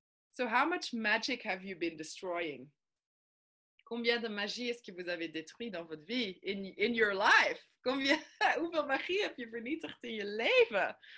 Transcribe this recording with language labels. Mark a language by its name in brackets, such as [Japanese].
[English] So how much magic have you been destroying? [French] Combien de magie est-ce que vous avez détruit dans votre vie? [English] In your life? [Dutch] Hoeveel magie heb je vernietigd in je leven?